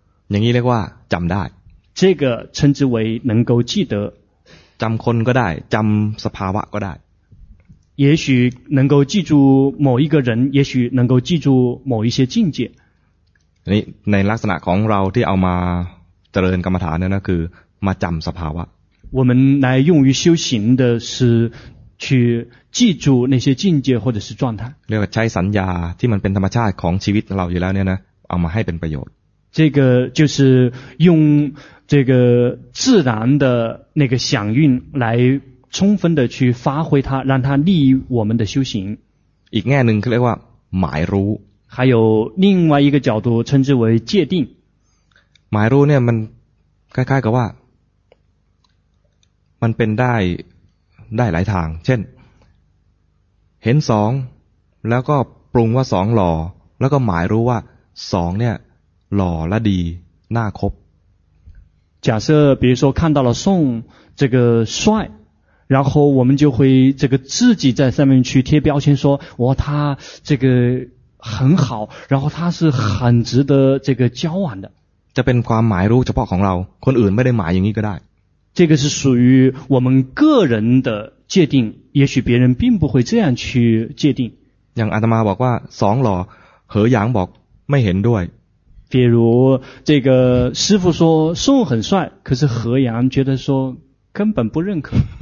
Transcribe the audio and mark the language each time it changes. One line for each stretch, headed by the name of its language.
Thai: อย่างนี้เรียกว่าจำได้
Chinese: 这个称之为能够记得
Thai: จำคนก็ได้จำสภาวะก็ได้
Chinese: 也许能够记住某一个人也许能够记住某一些境界
Thai: ในลักษณะของเราที่เอามาเจริญกรรมฐานนั่นคือมาจำสภาวะ
Chinese: 我们来用于修行的是去记住那些境界或者是状态
Thai: เรียกว่าใช้สัญญาที่มันเป็นธรรมชาติของชีวิตเราอยู่แล้วเนี่ยนะเอามาให้เป็นประโยชน์
Chinese: 这个就是用这个自然的那个响应来充分的去发挥它让它利益我们的修行
Thai: อีกแง่หนึ่งเขาเรียกว่าหมายรู้
Chinese: 还有另外一个角度称之为界定
Thai: หมายรู้เนี่ยมันคล้ายๆกับว่ามันเป็นได้หลายทางเช่นเห็นสองแล้วก็ปรุงว่าสองหล่อแล้วก็หมายรู้ว่าสองเนี่ยหล่อและดีน่าคบ
Chinese: 假设比如说看到了宋这个帅然后我们就会这个自己在上面去贴标签说哇他这个很好然后他是很值得这个交往的
Thai: จะเป็นความหมายรู้เฉพาะของเราคนอื่นไม่ได้หมายอย่างนี้ก็ได้
Chinese: 这个是属于我们个人的界定也许别人并不会这样去界定
Thai: อย่างอาตมาบอกว่าสองหล่อเหอหยางบอกไม่เห็นด้วย
Chinese: 比如这个师父说宋很帅可是何阳觉得说根本不认可